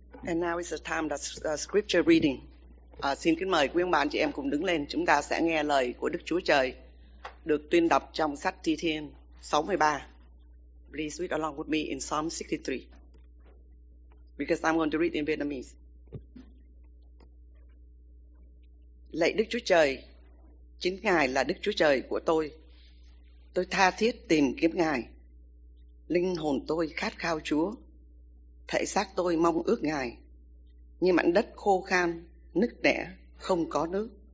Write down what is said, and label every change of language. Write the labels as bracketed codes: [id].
[en] And now is the time that scripture reading. [vi] Xin kính mời quý ông bà anh chị em cùng đứng lên. Chúng ta sẽ nghe lời của Đức Chúa Trời được tuyên đọc trong sách Thi Thiên 63. [en] Please read along with me in Psalm 63. Because I'm going to read in Vietnamese. [vi] Lạy Đức Chúa Trời, chính Ngài là Đức Chúa Trời của tôi. Tôi tha thiết tìm kiếm Ngài. Linh hồn tôi khát khao Chúa. Thể xác tôi mong ước Ngài. Như mảnh đất khô khan, nứt nẻ, không có nước.